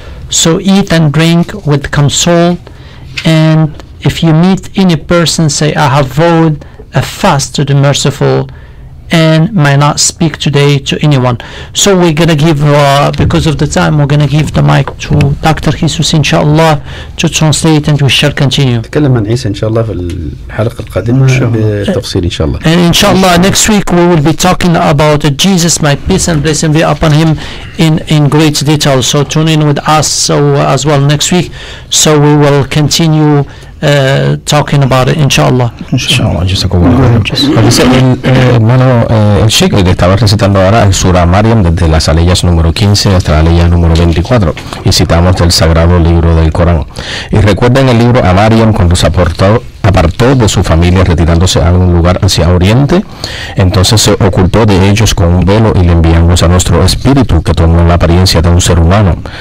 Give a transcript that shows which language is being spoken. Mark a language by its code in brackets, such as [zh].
[en] So eat and drink with console, and if you meet any person, say, I have vowed a fast to the merciful, and may not speak today to anyone. So we're going to give, because of the time, we're going to give the mic to Dr. Jesus, inshallah, to translate, and we shall continue. [ar] تكلم عن عيسى إن شاء الله في الحلقة القادمة بالتفصيل إن شاء الله. [en] And inshallah, next week we will be talking about Jesus, my peace and blessing be upon him in great detail. So tune in with us as well next week. So we will continue talking about it, inshallah. Inshallah, just a couple of [es] hermano, el Sheikh que estaba recitando ahora el Surah Maryam desde las aleyas número 15 hasta la aleya número 24, y citamos del sagrado libro del Corán. Y recuerden el libro a Maryam cuando se apartó de su familia retirándose a un lugar hacia oriente, entonces se ocultó de ellos con un velo y le enviamos a nuestro espíritu que tomó la apariencia de un ser humano.